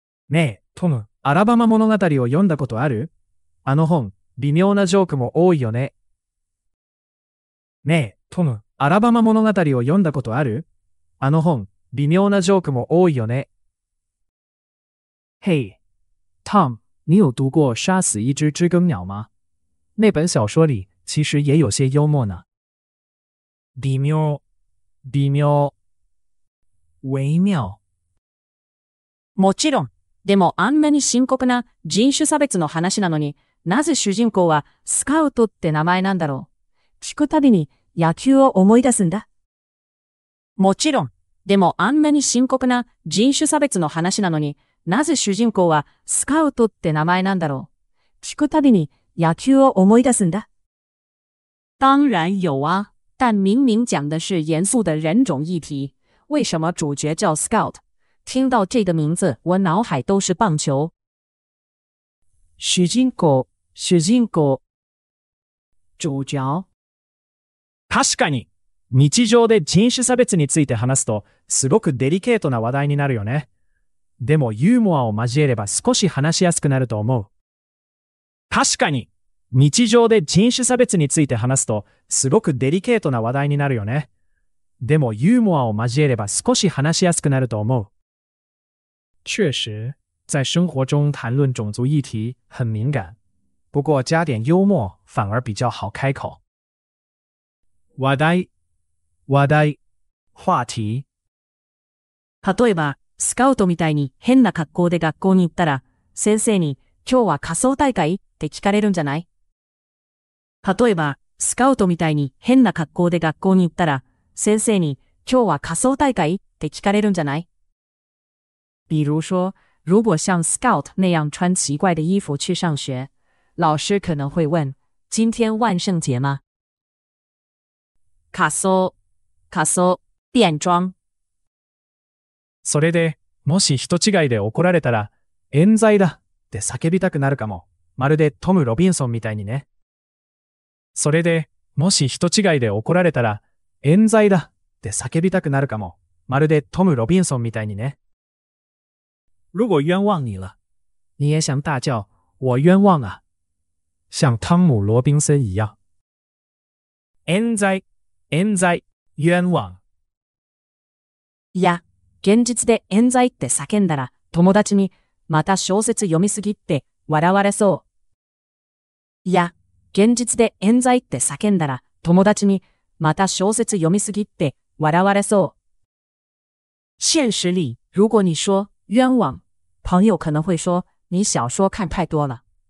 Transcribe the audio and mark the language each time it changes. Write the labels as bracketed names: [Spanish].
[Japanese] ねえ、トム、アラバマ物語を読んだことある？あの本、微妙なジョークも多いよね。ねえ、トム、アラバマ物語を読んだことある？あの本、微妙なジョークも多いよね。 [Chinese] Hey, Tom, 你有读过杀死一只知更鸟吗？那本小说里其实也有些幽默呢。 [Japanese] 微妙，微妙，微妙。もちろん。でもあんなに深刻な人種差別の話なのに、なぜ主人公はスカウトって名前なんだろう。聞くたびに野球を思い出すんだ。もちろん。でもあんなに深刻な人種差別の話なのに、なぜ主人公はスカウトって名前なんだろう。聞くたびに野球を思い出すんだ。 [Chinese] 当然有啊，但明明讲的是严肃的人种议题，为什么主角叫 Scout？听到这个名字，我脑海都是棒球。 [Japanese] 主人公，主人公， [Chinese] 主角。 [Japanese] 確かに、日常で人種差別について話すと、すごくデリケートな話題になるよね。でもユーモアを交えれば少し話しやすくなると思う。確かに、日常で人種差別について話すと、すごくデリケートな話題になるよね。でもユーモアを交えれば少し話しやすくなると思う。 [Chinese] 确实、在生活中谈论种族议题很敏感。不过加点幽默反而比较好开口。 [Japanese] 話題、話題、話題。例えば、スカウトみたいに変な格好で学校に行ったら、先生に、今日は仮装大会？って聞かれるんじゃない？例えば、スカウトみたいに変な格好で学校に行ったら、先生に、今日は仮装大会？って聞かれるんじゃない？ [Chinese] 比如说、如果像スカウト那样穿奇怪的衣服去上学、老师可能会问、今天万圣节吗？ [Japanese] 仮装、仮装、 [Chinese] 便装。 [Japanese] それで、もし人違いで怒られたら、冤罪だ。って叫びたくなるかも。まるでトム・ロビンソンみたいにね。それで、もし人違いで怒られたら、冤罪だって叫びたくなるかも。まるでトム・ロビンソンみたいにね。 [Chinese] 如果冤枉你了，你也想大叫“我冤枉啊”，像汤姆·罗宾森一样。冤罪，冤罪，冤枉。 [Japanese] いや、現実で冤罪って叫んだら、友達にまた小説読みすぎって笑われそう。いや、現実で冤罪って叫んだら、友達にまた小説読みすぎって笑われそう。 [Chinese] 现实里，如果你说冤枉，朋友可能会说你小说看太多了。